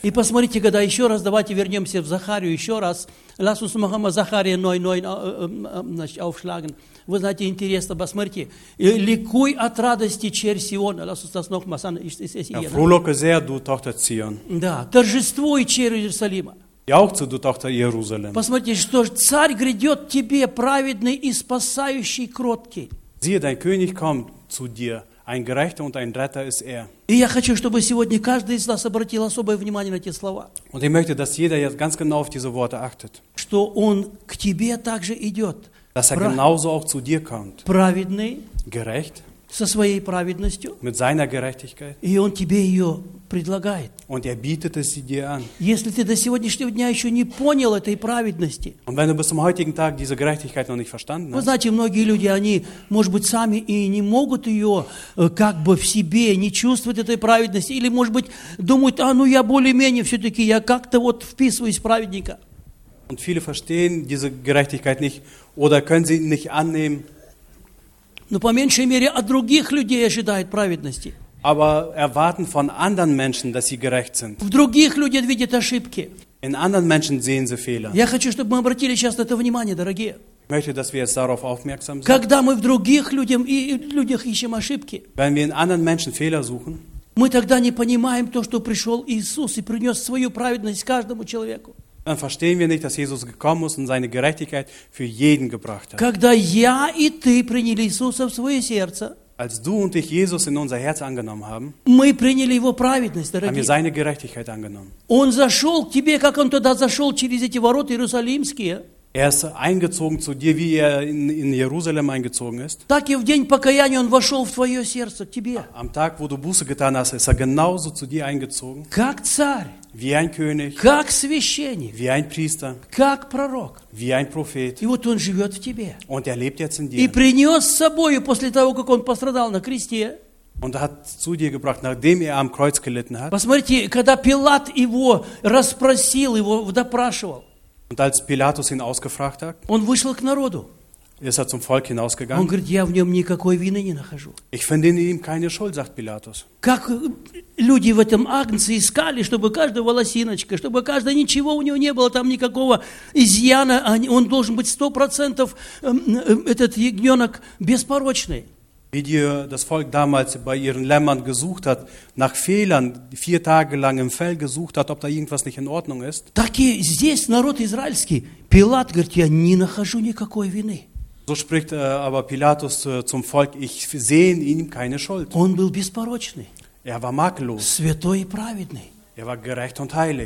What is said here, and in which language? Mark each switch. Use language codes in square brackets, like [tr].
[ru] И посмотрите, когда еще раз, давайте вернемся в Захарию еще раз. [de] Lass uns noch einmal Zacharia 9:9 aufschlagen. [ru] Вы знаете, интересно, посмотрите. Ликуй от радости, черь Сиона. [de] Lass uns das noch mal sagen. Frohlocke sehr, du Tochter Zion. [ru] Да, торжествуй, черь Иерусалима. [de] Jauchze, du Tochter Jerusalem. [ru] Посмотрите, что царь грядет тебе, праведный и спасающий кроткий. [de] Siehe, dein König kommt zu dir, ein Gerechter und ein Retter ist er. [ru] И я хочу, чтобы сегодня каждый из нас обратил особое внимание на эти слова. [de] Und ich möchte, dass jeder jetzt ganz genau auf diese Worte achtet. [ru] Что он к тебе также идет. [de] Dass er genauso auch zu dir kommt. [ru] Праведный. [de] Gerecht. [ru] Со своей праведностью. [de] Mit seiner Gerechtigkeit. [ru] И он тебе ее предлагает. [de] Und er bietet es dir an. [ru] Если ты до сегодняшнего дня еще не понял этой праведности. [de] Und wenn du bis zum heutigen Tag diese Gerechtigkeit noch nicht verstanden hast. [ru] Вы знаете, многие люди, они, может быть, сами и не могут ее как бы в себе не чувствовать этой праведности. Или, может быть, думают, а ну я более-менее все-таки, я как-то вот вписываюсь в праведника. [de] Und viele verstehen diese Gerechtigkeit nicht oder können sie nicht annehmen. [ru] Но по меньшей мере от других людей ожидает праведности. [de] Aber erwarten von anderen Menschen, dass sie gerecht sind. [ru] В других люди видят ошибки. [de] In anderen Menschen sehen sie Fehler. [ru] Я хочу, чтобы мы обратили сейчас на это внимание, дорогие. [de] Ich möchte, dass wir jetzt darauf aufmerksam sind. [ru] Когда мы в других людях ищем ошибки. [de] Wenn wir in anderen Menschen Fehler suchen. [ru] Мы тогда не понимаем то, что пришел Иисус и принес свою праведность каждому человеку. [de] Dann verstehen wir nicht, dass Jesus gekommen ist und seine Gerechtigkeit für jeden gebracht hat. [ru] Когда я и ты приняли Иисуса в свое сердце. [de] Als du und ich Jesus in unser Herz angenommen haben, [ru] мы приняли его праведность, дорогие. [de] Haben wir seine Gerechtigkeit angenommen. [ru] Он зашел к тебе, как он тогда зашел через эти ворота иерусалимские. [de] Er ist eingezogen zu dir, wie er in Jerusalem eingezogen ist. [ru] Так и в день покаяния он вошел в твое сердце, тебе. [de] Am Tag, wo du Buße getan hast, ist er genauso zu dir eingezogen. [ru] Как царь. [de] Wie ein König. [ru] Как священник. [de] Wie ein Priester. [ru] Как пророк. [de] Wie ein Prophet. [ru] И вот он живет в тебе. [de] Und er lebt jetzt in dir. [ru] И принес с собой после того, как он пострадал на кресте. [de] Und hat zu dir gebracht, nachdem er am Kreuz gelitten hat. [ru] Посмотрите, когда Пилат его расспросил, его допрашивал. [de] Und als Pilatus ihn ausgefragt hat, [ru] он вышел к народу. [de] Ist er zum Volk hinausgegangen. [ru] Он говорит, я в нем никакой вины не нахожу. [de] Ich finde in ihm keine Schuld, sagt Pilatus. [ru] Как люди в этом Агнце искали, чтобы каждая волосиночка, чтобы каждое ничего у него не было, там никакого изъяна, он должен быть 100% этот ягненок беспорочный. [de] Wie die, das Volk damals bei ihren Lämmern gesucht hat, nach Fehlern, 4 Tage lang im Fell gesucht hat, ob da irgendwas nicht in Ordnung ist. [ru] Так и здесь народ израильский, Пилат говорит, я не нахожу никакой вины. [de] So spricht aber Pilatus zum Volk, ich sehe in ihm keine Schuld. [ru] Он был беспорочный. [de] Er war makellos. [ru] Святой и праведный. [de] Er war gerecht und heilig.